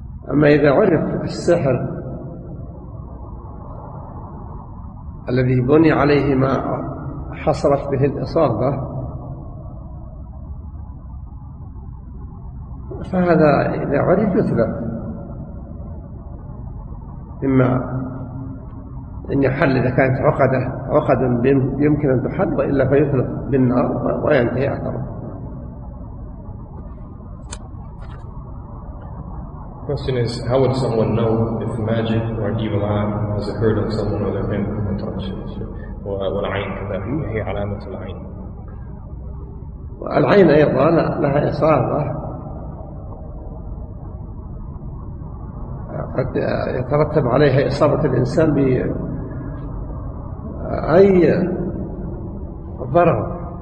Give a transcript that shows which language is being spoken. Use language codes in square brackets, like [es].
[ar] أما إذا عرف السحر الذي بني عليه ما حصلت به الإصابة فهذا إذا عرف يثبت، إما أن يحل إذا كانت عقدة عقد يمكن أن تحل، وإلا فيثبت بالنار وينتهي أثره. [en] Question is, how would someone know if magic or an evil eye has occurred on someone or their family in touch? [ar] والعين كذلك هي علامة العين. والعين أيضا لها إصابة قد يترتب عليها إصابة الإنسان بأي ضرر.